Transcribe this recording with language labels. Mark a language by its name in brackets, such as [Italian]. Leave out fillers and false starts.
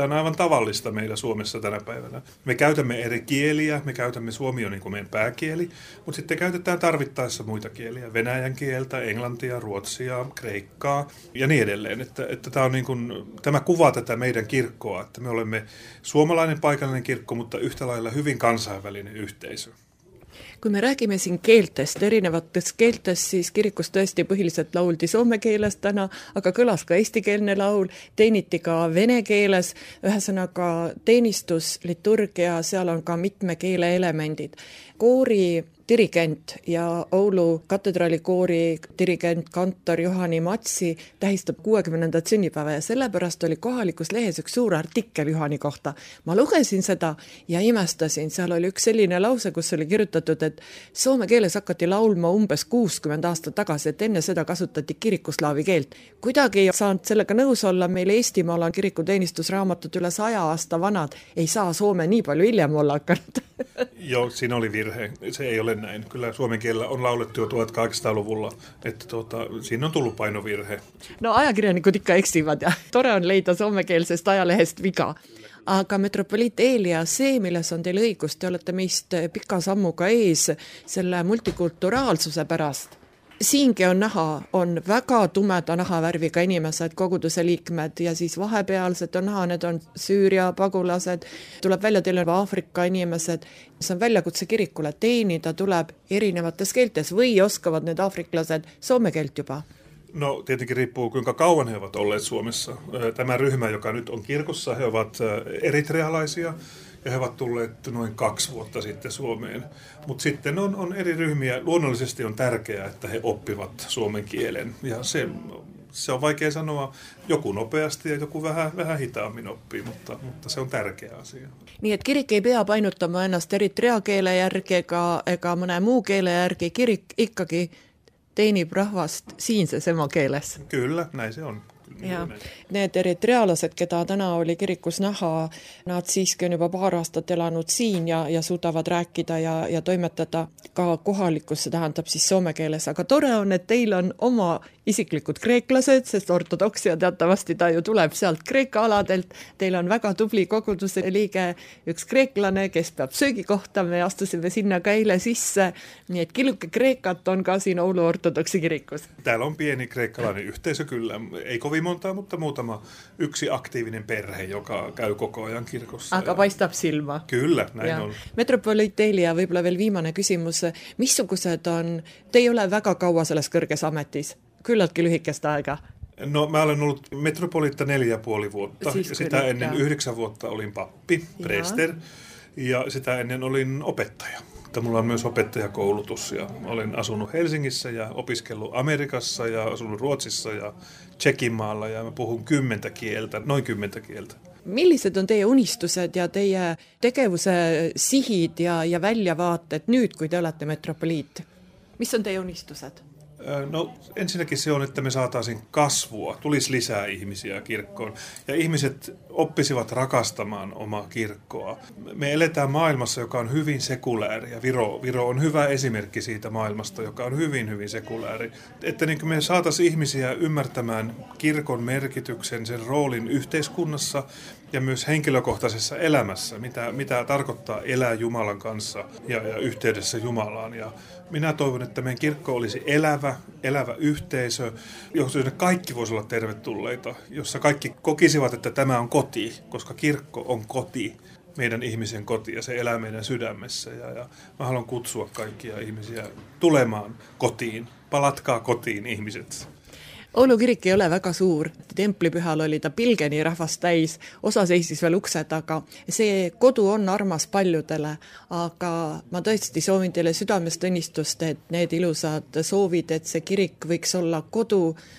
[Finnish] Tämä on aivan tavallista meillä Suomessa tänä päivänä. Me käytämme eri kieliä, me käytämme suomi on niin kuin meidän pääkieli, mutta sitten käytetään tarvittaessa muita kieliä, venäjän kieltä, englantia, ruotsia, kreikkaa ja niin edelleen. Että tämä on niin kuin, tämä kuvaa tätä meidän kirkkoa, että me olemme suomalainen paikallinen kirkko, mutta yhtä lailla hyvin kansainvälinen yhteisö. [Estonian] Kui me räägime siin keeltest, erinevates keeltest, siis kirikus tõesti põhiliselt lauldi soome keeles täna, aga kõlas ka eestikeelne laul, teeniti ka vene keeles, ühesõnaga teenistus, liturgia, seal on ka mitme keele elementid. Koori dirigent ja Oulu katedraali koori dirigent kantor Johani Matsi tähistab 60. sünnipäeva ja sellepärast oli kohalikus lehes üks suur artikkel Johani kohta. Ma lugesin seda ja imestasin. Seal oli üks selline lause, kus oli kirjutatud, et soome keeles hakati laulma umbes 60 aastat tagasi, et enne seda kasutati kirikuslaavi keelt. Kuidagi ei saanud sellega nõus olla, meil Eestimaal on kirikuteenistusraamatud üle 100 aasta vanad. Ei saa soome nii palju hiljem olla hakkanud. [Finnish] Joo, siinä oli virhe. Se ei ole näin. Kyllä suomen kielellä on laulettu jo 1800-luvulla, että siinä on tullut painovirhe. [Estonian] No ajakirjanikud ikka eksivad ja tore on leida suomekeelsest ajalehest viga. Aga metropoliit Eelia, see, milles on teil õigus, te olete meist pika sammuga ees selle multikulturaalsuse pärast. Siinki on näha, on väga tumeda nahavärviga inimesed, koguduse liikmed ja siis vahepealsed on näha, need on Süüria pagulased, tuleb välja teile Aafrika inimesed. See on väljakutse kirikule, teenida tuleb erinevates keeltes või oskavad need aafriklased soome keelt juba. [Finnish] No tietenkin riippuu, kuinka kauan he ovat olleet Suomessa. Tämä ryhmä, joka nyt on kirkossa, he ovat eritrealaisia. Ja he ovat tulleet noin 2 vuotta sitten Suomeen. Mutta sitten on eri ryhmiä. Luonnollisesti on tärkeää, että he oppivat suomen kielen. Ja se on vaikea sanoa, joku nopeasti ja joku vähän hitaammin oppii, mutta se on tärkeä asia. Niin, että [Estonian] kirik ei pea painuttama ennast eritrea keele järgi ega mõne muu keele järgi. Kirik ikkagi teenib rahvast siinses emakeeles. [Finnish] Kyllä, näin se on. [Estonian] Ja need eritrealased, keda täna oli kirikus näha, nad siiski on juba paar aastat elanud siin ja suudavad rääkida ja toimetada ka kohalikus, see tähendab siis soome keeles. Aga tore on, et teil on oma isiklikud kreeklased, sest ortodoksia teatavasti ta ju tuleb sealt kreeka aladelt. Teil on väga tubli koguduse liige, üks kreeklane, kes peab söögikohta, me astusime sinna ka eile sisse. Nii et kiluke kreekat on ka siin Oulu ortodoksi kirikus. [Finnish] Täällä on pieni kreekkalainen yhteisö kyllä, ei kovin montaa, mutta muutama yksi aktiivinen perhe, joka käy koko ajan kirkossa. [Estonian] Aga paistab silma. [Finnish] Kyllä, näin on. [Estonian] Metropoliit Eelia, võibolla veel viimane küsimus. Missugused on, te ei ole väga kaua selles kõrges ametis, küllaltki lühikest aega. [Finnish] No mä olen ollut metropoliitta 4,5 vuotta. Siis sitä ennen 9 vuotta olin pappi, preester, ja sitä ennen olin opettaja. Että mulla on myös opettajakoulutus ja olen asunut Helsingissä ja opiskellut Amerikassa ja asunut Ruotsissa ja Tšekinmaalla ja mä puhun 10 kieltä, noin 10 kieltä. [Estonian] Millised on teie unistused ja teie tegevuse sihid ja väljavaated nüüd, kui te olete metropoliit? Mis on teie unistused? [Finnish] No ensinnäkin se on, että me saataisiin kasvua, tulisi lisää ihmisiä kirkkoon ja ihmiset oppisivat rakastamaan omaa kirkkoa. Me eletään maailmassa, joka on hyvin sekulääri ja Viro on hyvä esimerkki siitä maailmasta, joka on hyvin, hyvin sekulääri. Että niin kuin me saataisiin ihmisiä ymmärtämään kirkon merkityksen, sen roolin yhteiskunnassa ja myös henkilökohtaisessa elämässä, mitä tarkoittaa elää Jumalan kanssa ja yhteydessä Jumalaan. Ja minä toivon, että meidän kirkko olisi elävä yhteisö, jossa kaikki voisi olla tervetulleita, jossa kaikki kokisivat, että tämä on koti, koska kirkko on koti, meidän ihmisen koti ja se elää meidän sydämessä. Ja mä haluan kutsua kaikkia ihmisiä tulemaan kotiin. Palatkaa kotiin, ihmiset. [Estonian] Oulu kirik ei ole väga suur. Templipühal oli ta pilgeni rahvas täis, osa seisis veel ukse taga. See kodu on armas paljudele, aga ma tõesti soovin teile südamest õnnistust, et need ilusad soovid, et see kirik võiks olla kodu.